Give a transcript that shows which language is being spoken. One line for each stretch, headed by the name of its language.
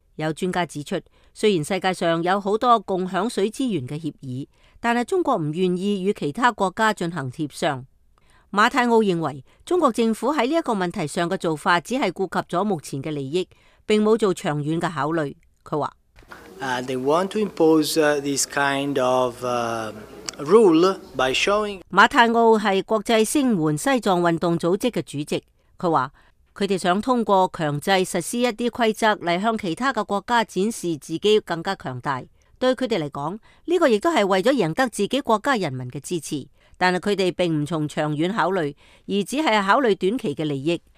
Chinese: 有专家指出，虽然世界上有很多共享水资源的协议，但是中国不愿意与其他国家进行协商。马太奥认为，中国政府在这个问题上的做法只是顾及了目前的利益，并没有做长远的考虑。他说
English: They want to impose this kind of rule by showing.
Chinese: 马太奥是国际声援西藏运动组织的主席。他说，他们想通过强制实施一些规则来向其他的国家展示自己更加强大。对他们来说，这个也是为了赢得自己国家人民的支持。但是他们并不从长远考虑，而只是考虑短期的利益。